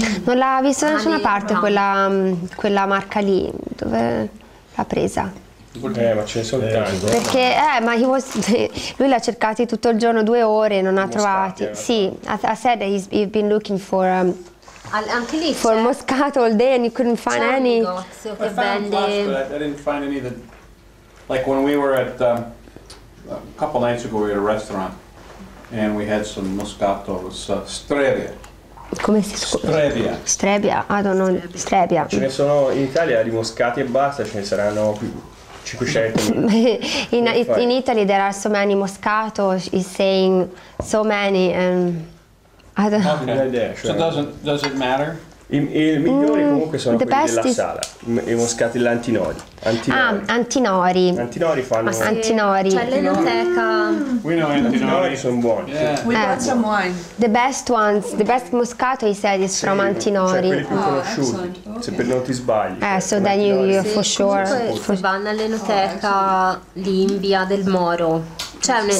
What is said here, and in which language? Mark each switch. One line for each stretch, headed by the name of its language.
Italian: Non l'ha visto da nessuna parte quella marca lì. Dove l'ha presa? Ma ce ne sono tanti. Perché, ma lui l'ha cercato tutto il giorno, due ore, non ha trovato.
English: Sì, I said that he's been looking for.
Italian: Anche lì.
English: For moscato all day and you couldn't find any. I found lots, but I didn't find any that. Like when we were at. A couple nights ago, we were at a restaurant. And we had some moscato, strevia.
Italian: Come si scusa?
English: Strevia. Strevia, I don't know, strevia.
Italian: Ce ne sono in Italia di moscati e basta, ce ne saranno 500.
English: in Italy there are so many moscato, he's saying so many, I don't know. Okay. So does it matter?
Italian: I migliori comunque sono quelli della sala, i moscati, l'antinori. Antinori. Antinori fanno... Sì. Antinori. C'è l'enoteca. Qui no, antinori sono buoni.
English: Yeah. We got some wine. The best ones, the best moscato, he said, is from antinori.
Italian: Cioè, quelli più conosciuti, se per non ti sbagli.
English: So then you for sure.
Italian: Comunque, se vanno all'enoteca lì in via del Moro, c'è un'enoteca.